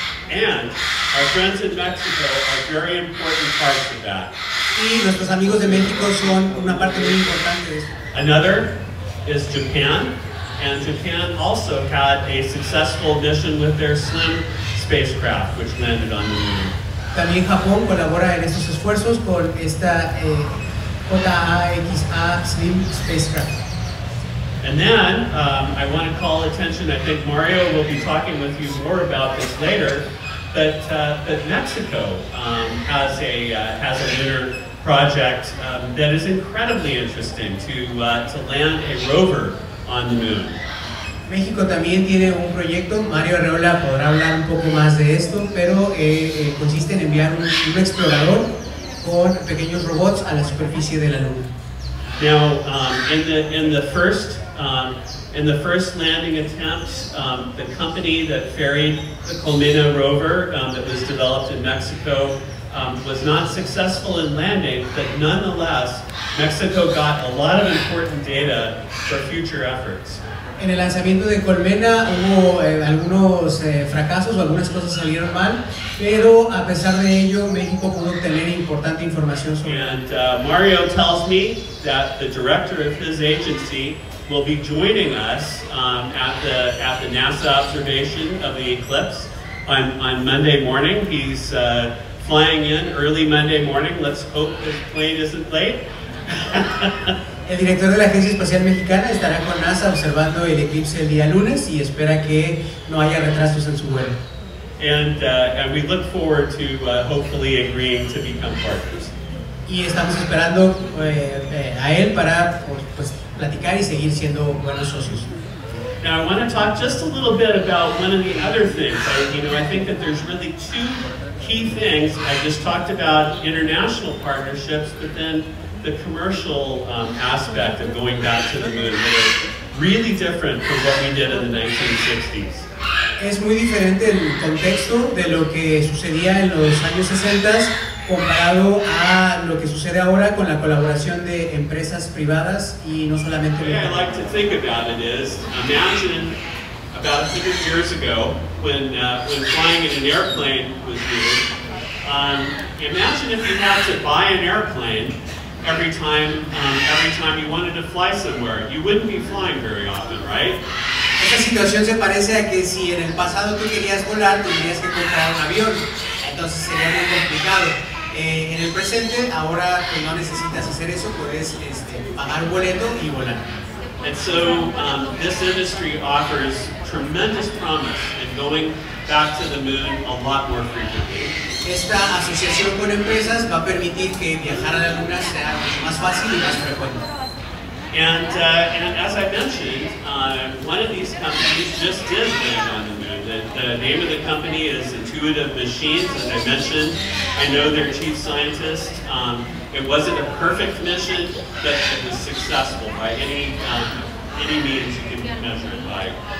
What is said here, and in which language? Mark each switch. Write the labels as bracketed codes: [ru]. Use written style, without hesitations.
[en] And our friends in Mexico are very important parts of that. [es] Y nuestros amigos de México son una parte muy importante de esto. [en] Another is Japan. And Japan also had a successful mission with their slim spacecraft, which landed on the moon. [es] También Japón colabora en estos esfuerzos con esta JAXA slim spacecraft. [en] And then I want to call attention. I think Mario will be talking with you more about this later. But Mexico has a lunar project that is incredibly interesting to land a rover on the moon. [es] México también tiene un proyecto. Mario Arreola podrá hablar un poco más de esto, pero consiste en enviar un explorador con pequeños robots a la superficie de la luna. [en] Now, in the first landing attempts, the company that ferried the Colmena rover that was developed in Mexico was not successful in landing, but nonetheless, Mexico got a lot of important data for future efforts. [es] En el lanzamiento de Colmena hubo algunos fracasos o algunas cosas salieron mal, pero a pesar de ello, México pudo obtener importante información sobre. [en] And Mario tells me that the director of his agency will be joining us at the NASA observation of the eclipse on Monday morning. He's flying in early Monday morning. Let's hope his plane isn't late. [es] El director de la Agencia Espacial Mexicana estará con NASA observando el eclipse el día lunes y espera que no haya retrasos en su vuelo. [en] And we look forward to hopefully agreeing to become partners. [es] Y estamos esperando a él para platicar y seguir siendo buenos socios. [en] Now I want to talk just a little bit about one of the other things. I think that there's really two key things. I just talked about international partnerships, but then the commercial aspect of going back to the moon is really different from what we did in the 1960s. [es] Es muy diferente el contexto de lo que sucedía en los años 60 comparado a lo que sucede ahora con la colaboración de empresas privadas y no solamente [en] el I like to think about it is, imagine about 100 years ago when flying in an airplane was new, imagine if you had to buy an airplane every time you wanted to fly somewhere. You wouldn't be flying very often, right? [es] Esta situación se parece a que si en el pasado tú querías volar, tendrías que comprar un avión. Entonces sería muy complicado. En el presente, ahora que no necesitas hacer eso, puedes pagar un boleto y volar. [en] And so, this industry offers tremendous promise in going back to the moon a lot more frequently. [es] Esta asociación con empresas va a permitir que viajar a la luna sea mucho más fácil y más frecuente. [en] And as I mentioned, one of these companies just did land on the moon. The name of the company is Intuitive Machines. As I mentioned, I know their chief scientist. It wasn't a perfect mission, but it was successful by any means you can measure it by.